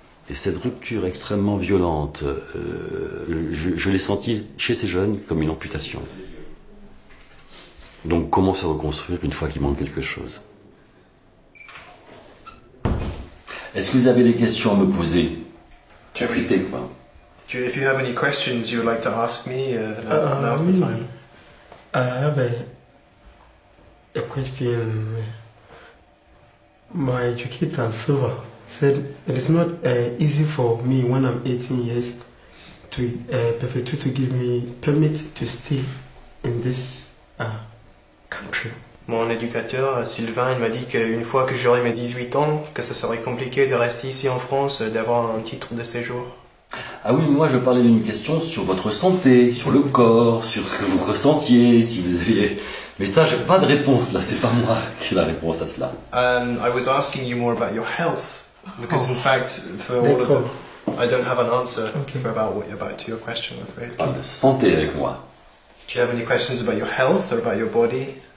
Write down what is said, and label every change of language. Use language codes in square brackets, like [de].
[fr] Et cette rupture extrêmement violente, je l'ai sentie chez ces jeunes comme une amputation. Donc comment se reconstruire une fois qu'il manque quelque chose? Est-ce que vous avez des questions à me poser? Profitez, quoi. [en] Do you, if you have any questions you would like to ask me, now's the time. I have a question. My educator, Silva, said it is not easy for me when I'm 18 years to perfectly to give me permit to stay in this country. [fr] Mon éducateur, Sylvain, il m'a dit qu'une fois que j'aurai mes 18 ans, que ça serait compliqué de rester ici en France, d'avoir un titre de séjour. Ah oui, moi je parlais d'une question sur votre santé, sur le corps, sur ce que vous ressentiez, si vous aviez... Mais ça, j'ai pas de réponse là, c'est pas moi qui ai la réponse à cela. [en] I was asking you more about your health, because in fact, for all of them, I don't have an answer for about your question, I'm afraid. [fr] Pas de santé avec moi. [en] Do you have any questions about your health or about your body?